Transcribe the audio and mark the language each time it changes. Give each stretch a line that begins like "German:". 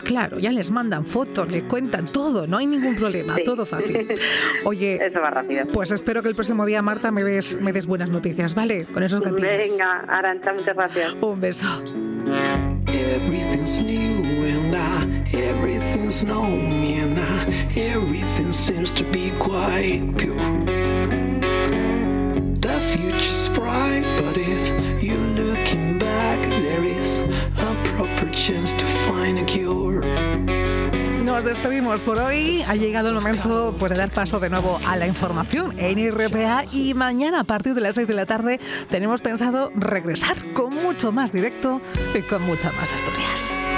Spanish: Claro, ya les mandan fotos, les cuentan todo, no hay ningún problema, todo fácil. Oye, eso va rápido. Pues espero que el próximo día, Marta, me des buenas noticias, ¿vale? Con esos gatitos. Venga, Arantxa, muchas gracias. Un beso.
English: Everything's new and everything's known and everything seems to be quite pure. The future's bright, but if you're looking back, there is a proper chance to find a cure.
Spanish: Nos despedimos por hoy. Ha llegado el momento, pues, de dar paso de nuevo a la información en RPA. Y mañana, a partir de las 6 de la tarde, tenemos pensado regresar con mucho más directo y con muchas más Asturias.